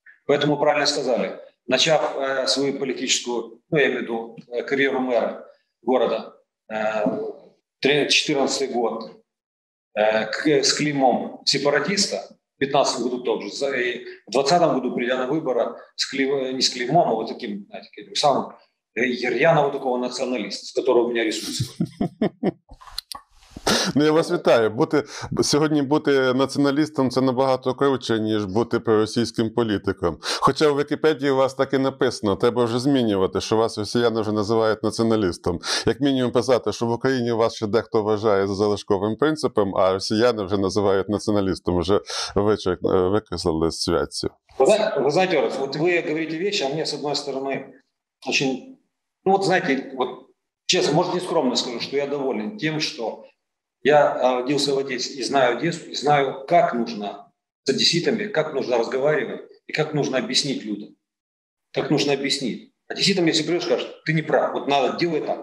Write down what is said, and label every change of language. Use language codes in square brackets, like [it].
[ru] Поэтому правильно сказали, начав свою политическую, ну я имею в виду карьеру мэра города, 2014 год, с клеймом сепаратиста, в 2015 году тот же, в 2020 году, придя на выборы, не с клеймом, а вот таким, знаете, каким самым Ярьянова такого националиста, с которого у меня рисуется. [uk] Ну, я вас вітаю. Сьогодні бути націоналістом – це набагато круче, ніж бути проросійським політиком. Хоча в Вікіпедії у вас так і написано, треба вже змінювати, що вас росіяни вже називають націоналістом. Як мінімум писати, що в Україні вас ще дехто вважає за залишковим принципом, а росіяни вже називають націоналістом, вже викреслили з святці. Ви знаєте, Орес, от ви говорите речі, а мені, з одної сторони, дуже... Ну, от знаєте, от, чесно, може, не скромно скажу, що я доволен тим, що я родился [ru] в Одессе и знаю Одессу, и знаю, как нужно с одесситами, как нужно разговаривать и как нужно объяснить людям. Как нужно объяснить. Одесситам, если придешь, скажешь, ты не прав, вот надо делать так.